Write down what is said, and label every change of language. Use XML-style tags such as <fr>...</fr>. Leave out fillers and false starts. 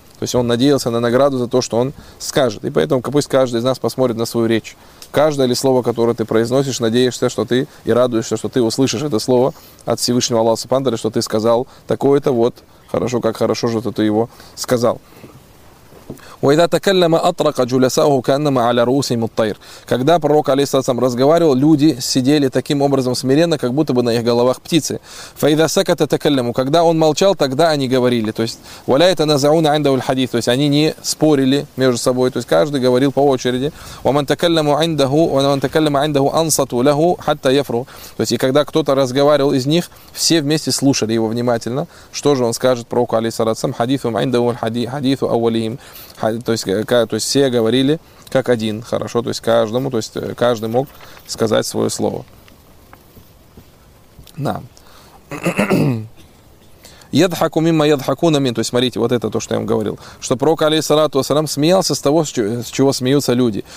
<ru>То есть он надеялся на награду за то, что он скажет. И поэтому пусть каждый из нас посмотрит на свою речь. Каждое ли слово, которое ты произносишь, надеешься, что ты и радуешься, что ты услышишь это слово от Всевышнего Аллаха Субхана Тааля, что ты сказал такое-то, вот, хорошо, как хорошо, что ты его сказал.</ru> <ar>وإذا تكلم أطرق جلساؤه كأنما على رؤوسهم الطير.</ar> <ru>Когда пророк алейхиссалям разговаривал, люди сидели таким образом смиренно, как будто бы на их головах птицы.</ru> <ar>فإذا سكت تكلموا.</ar> <ru>Когда он молчал, тогда они говорили. То есть</ru> <ar>ولا يتنازعون عنده الحديث.</ar> <ru>То есть они не спорили между собой. То есть каждый говорил по очереди.</ru> <ar>ومن تكلم عنده ومن تكلم عنده أنصت له حتى يفرغ.</ar> <ru>То есть и когда кто-то разговаривал из них, все вместе слушали его внимательно, что же он скажет пророку алейхиссалям.</ru> <ar>حديثهم عنده الحديث أولهم.</ar> <ru>То есть все говорили как один, хорошо, то есть каждому, то есть каждый мог сказать свое слово. На.</ru> <ar>Ядхаку мимо ядхаку намин.</ar> <ru>То есть смотрите, вот это то, что я вам говорил. Что пророк алейхиссалату вассалям смеялся с того, с чего смеются люди.</ru>